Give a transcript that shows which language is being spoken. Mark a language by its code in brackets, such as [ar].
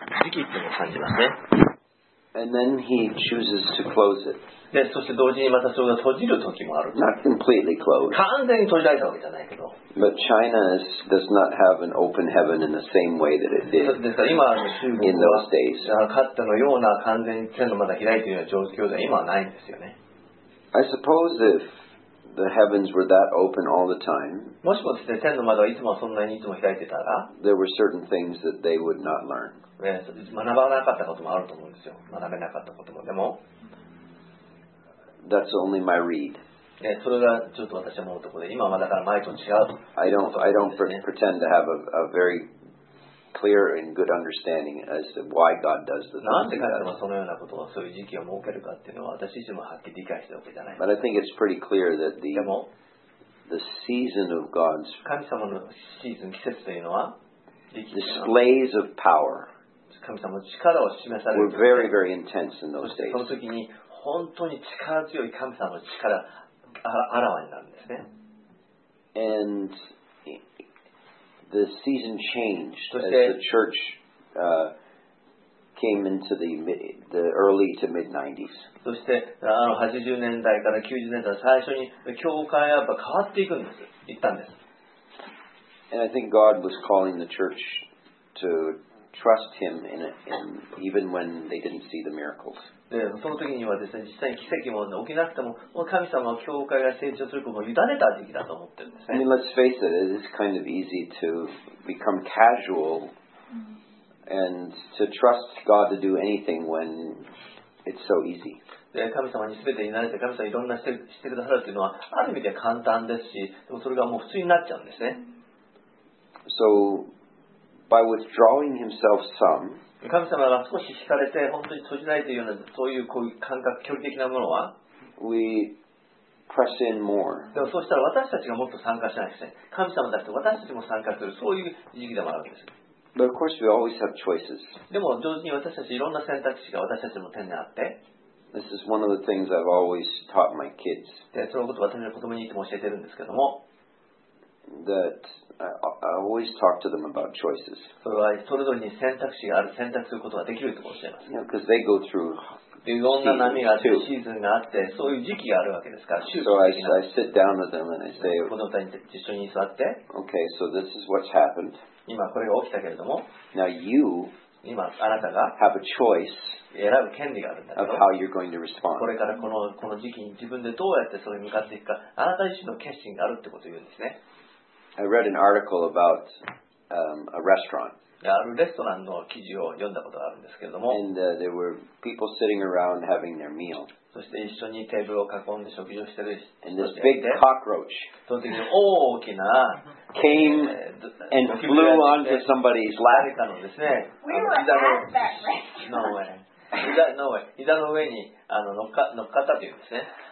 [ja] 時期っていうのを感じますね。 [en] And then he chooses to close it. [ja] で、そして同時にまたそれを閉じる時もある。 [en] Not completely closed. [ja] 完全に閉じられたわけじゃないけど。 [en] But China does not have an open heaven in the same way that it did. [ja] ですから今の中国は、 [en] in those days. [ja] かつてのような完全に天のまだ開いているような状況では今はないんですよね。 [en] I suppose if the heavens were that open all the time, [ja] もしもですね、天の窓はいつもそんなにいつも開いてたら、 [en] there were certain things that they would not learn. [ja] 学ばなかったこともあると思うんですよ。学べなかったことも。でも、 [en] That's only my read. [ja] それがちょっと私は思うところで、今はだから前と違うと。 [en] I don't pretend to have a very clear and good understanding as to why God does the things. [ja] なんで神様そのようなことを、そういう時期を設けるかっていうのは、私自身もはっきり理解しておけじゃない。 [en] But I think it's pretty clear that the season of God's [ja] 神様のシーズン、季節というのは、 [en] displays of power. [ja] 神様の力を示される [en] ね、very, very intense in those days. [ja] その時に本当に力強い神様の力あらわになるんですね。 [en] And the season changed as the church came into the early to mid 90s. [ja] そして80年代から90年代最初に教会はやっぱ変わっていくんです。いったんです。 [en] And I think God was calling the church to trust him in it, and even when they didn't see the miracles. [ja] その時にはですね、実際に奇跡も起きなくても、もう神様は教会が成長することを委ねた時期だと思ってるんですね。 [en] I mean, let's face it, it is kind of easy to become casual and to trust God to do anything when it's so easy. [ja] 神様に全て委ねて、神様いろんなしてくださるというのは、ある意味では簡単ですし、でもそれがもう普通になっちゃうんですね。 [en] So,By withdrawing himself some, [ja] 神様が少し引かれて本当に閉じないというようなそういうこういう感覚距離的なものは、 [en] we press in more. [ja] でもそうしたら私たちがもっと参加しないですね。神様だって私たちも参加するそういう時期でもあるんです。 [en] But of course we always have choices. [ja] でも同時に私たちいろんな選択肢が私たちの手にあって、 [en] this is one of the things I've always taught my kids. [ja] で、そのことを私の子供にいつも教えてるんですけども。 [en] That I always talk to them about choices. [ja] それはそれぞれに選択肢がある、選択することができるとおっしゃいます。 [en] Yeah, because they go through seasons too. [ja] いろんな波があって、シーズンがあって、そういう時期があるわけですから、周期的な。 [en] So I sit down with them and I say, [ja] 子供たちに一緒に座って、 [en] Okay, so this is what's happened. [ja] 今これが起きたけれども、 [en] Now you [ja] 今あなたが [en] have a choice [ja] 選ぶ権利があるんだけど、 [en] of how you're going to respond. [ja] これからこの時期に自分でどうやってそれに向かっていくか、あなた自身の決心があるってことを言うんですね。 [en] I read an article about a restaurant. [ja] あるレストランの記事を読んだことがあるんですけれども。 [en] And there were people sitting around having their meal. [ja] そして一緒にテーブルを囲んで食事をしてる人がいて。 [en] And this big cockroach [ja] その時に大きな [en] came and flew onto somebody's lap. [ja] 誰かのですね。 [en] We were at that restaurant. No way. No way. [ja] 膝の上に乗っかったというんですね。